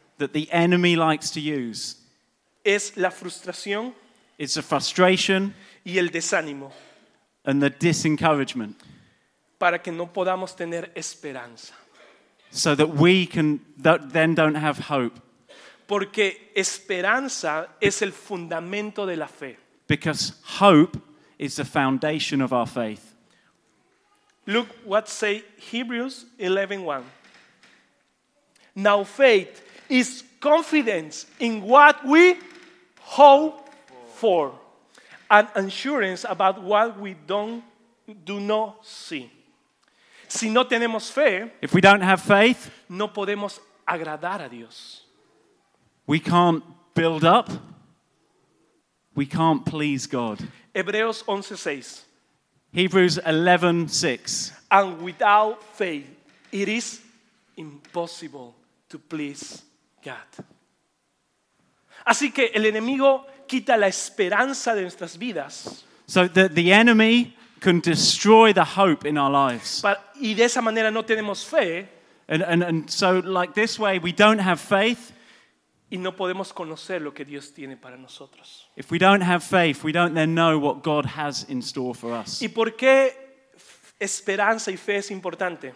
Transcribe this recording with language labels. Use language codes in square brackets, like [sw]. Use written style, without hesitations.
[en] That the enemy likes to use. [es] Es la frustración. [en] It's a frustration. [es] Y el desánimo. [en] And the disencouragement. [es] Para que no podamos tener esperanza. [en] So that we can that then don't have hope. [es] Porque esperanza es el fundamento de la fe. [en] Because hope is the foundation of our faith. Look what say Hebrews 11:1. Now faith is confidence in what we hope for. And assurance about what we do not see. [es] Si no tenemos fe, [en] if we don't have faith, [es] no podemos agradar a Dios. [en] We can't build up. We can't please God. [es] Hebreos 11:6. [en] Hebrews 11:6. And without faith, it is impossible to please God. [es] Así que el enemigo quita la esperanza de nuestras vidas. [en] So that the enemy can destroy the hope in our lives. [es] Y de esa manera no tenemos fe. [en] And so like this way we don't have faith. [es] Y no podemos conocer lo que Dios tiene para nosotros. [en] If we don't have faith, we don't then know what God has in store for us. [es] ¿Y por qué esperanza y fe es importante?